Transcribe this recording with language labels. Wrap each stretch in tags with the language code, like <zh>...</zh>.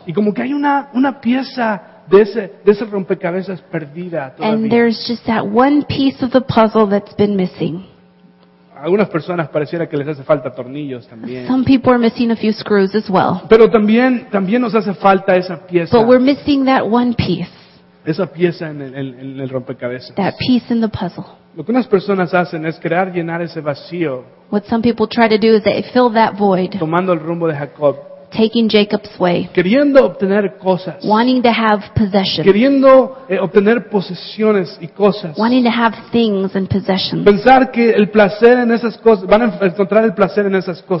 <es>Y como que hay una pieza de ese rompecabezas perdida todavía.</es> <en>And there's just that one piece of the puzzle that's been missing.</en> <es>Algunas personas pareciera que les hace falta tornillos también.</es> <en>Some people are missing a few screws as well.</en> <es>Pero también nos hace falta esa pieza.</es> <en>But we're missing that one piece.</en> <es>Esa pieza en el rompecabezas.</es> <en>That piece in the puzzle.</en> <es>Lo que unas personas hacen es crear llenar ese vacío.</es> <en>What some people try to do is they fill that void.</en> <es>Tomando el rumbo de Jacob.</es> <en>Taking Jacob's way.</en> <es>Queriendo obtener cosas.</es> <en>Wanting to have possessions.</en> <es>Queriendo obtener posesiones y cosas.</es> <en>Wanting to have things and possessions.</en> <es>Pensar que el placer en esas cosas, van a encontrar el placer en esas cosas.</es>